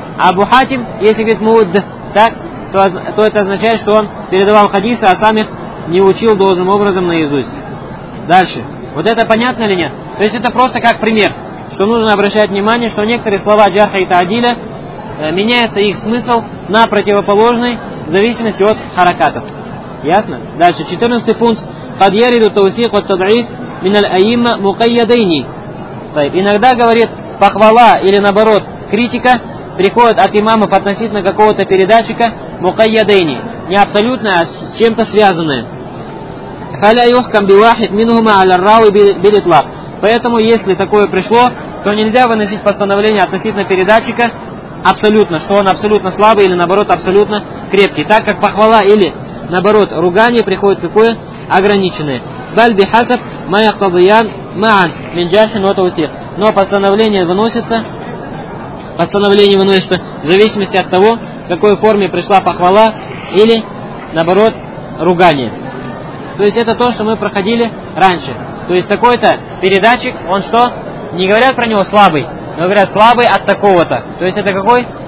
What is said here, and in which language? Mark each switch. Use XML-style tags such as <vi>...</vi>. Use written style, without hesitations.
<ru>А Абу Хатим, если говорит муд, так, то это означает, что он передавал хадисы, а сам их не учил должным образом наизусть. Дальше. Вот это понятно или нет? То есть это просто как пример, что нужно обращать внимание, что некоторые слова джарха и таадиля, меняется их смысл на противоположный в зависимости от харакатов. Ясно? Дальше. 14 пункт.</ru> <ar>قد يرد التوثيق والتضعيف من الأئمة مقيدين.</ar> <ru>طيب, иногда говорит похвала или наоборот критика приходит от имамов относительно какого-то передатчика مقيدين, не абсолютно, а с чем-то связанное.</ru> <ar>فلا يحكم بواحد منهما على الراوي بالإطلاق.</ar> <ru>Поэтому, если такое пришло, то нельзя выносить постановление относительно передатчика абсолютно, что он абсолютно слабый или наоборот абсолютно крепкий, так как похвала или наоборот ругание приходит какое ограниченное.</ru> <ar>بل بحسب ما يقتضيان معا من جرح وتوثيق.</ar> <ru>Но постановление выносится в зависимости от того, в какой форме пришла похвала или наоборот ругание. То есть это то, что мы проходили раньше. То есть такой-то передатчик, он что? Не говорят про него слабый, но говорят слабый от такого-то. То есть это какой?</ru>